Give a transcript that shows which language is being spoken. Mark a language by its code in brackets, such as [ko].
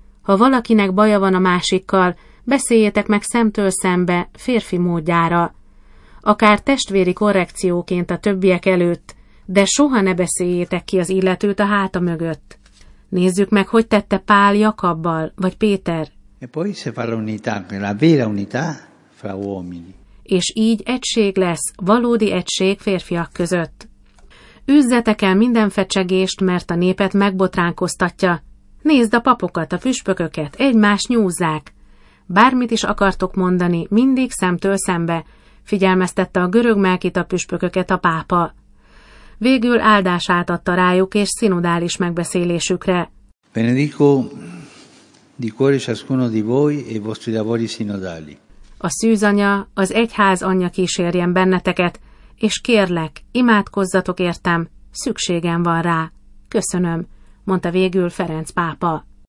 [hu] Ha valakinek baja van a másikkal, beszéljetek meg szemtől szembe, férfi módjára. Akár testvéri korrekcióként a többiek előtt, de soha ne beszéljétek ki az illetőt a háta mögött. Nézzük meg, hogy tette Pál Jakabbal, vagy Péter. [it] E poi se fa l'unità, la vera unità fra uomini. [hu] És így egység lesz, valódi egység férfiak között. Üzzetek el minden fecsegést, mert a népet megbotránkoztatja. Nézd a papokat, a püspököket, egymás nyúzzák. Bármit is akartok mondani, mindig szemtől szembe, figyelmeztette a görög melkita püspököket a pápa. Végül áldását adta rájuk és szinodális megbeszélésükre. [it] Benedico di cuore ciascuno di voi e i vostri lavori sinodali. [hu] A szűzanya, az egyház anyja kísérjen benneteket, és kérlek, imádkozzatok értem, szükségem van rá. Köszönöm, mondta végül Ferenc pápa.